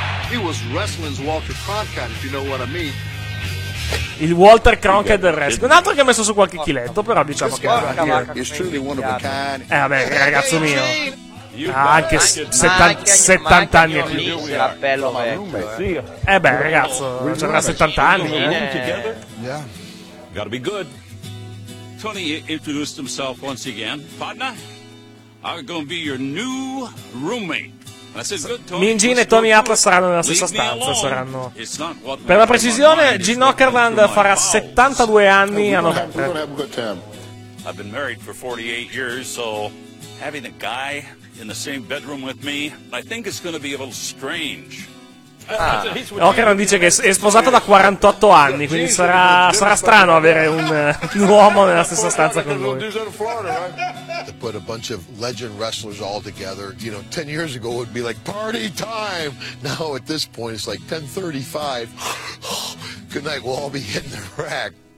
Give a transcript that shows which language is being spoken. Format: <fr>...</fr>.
<en>He was wrestling's Walter Cronkite, if you know what I mean.</en> <it>Il Walter Cronkite del wrestling. Un altro che ha messo su qualche chiletto, però diciamo che è</it> <en>truly one of a kind.</en> <it>Vabbè, ragazzo mio. Anche 70 anni e più. Era bello vecchio. Eh beh, ragazzo, ci avrà 70 anni.</it> <en>Gotta be good. Tony introduced himself once again. Partner, I'm gonna be your new roommate.</en> <it>Mean Gene e Tony Atlas saranno nella stessa stanza. Saranno. Per la precisione, Gene Okerlund farà 72 anni a novembre.</it> <en>I've been married for 48 years, so having a guy in the same bedroom with me, I think it's going to be a little strange. Ah.</en> <it>Okerlund dice che è sposato da 48 anni, quindi sarà strano avere un uomo nella stessa stanza con lui.</it> <en>Put a bunch of legend wrestlers all together, you know, 10 years ago would be like party time. Now at this point it's like 10:35. Good night, we'll all be hitting the rack.</en>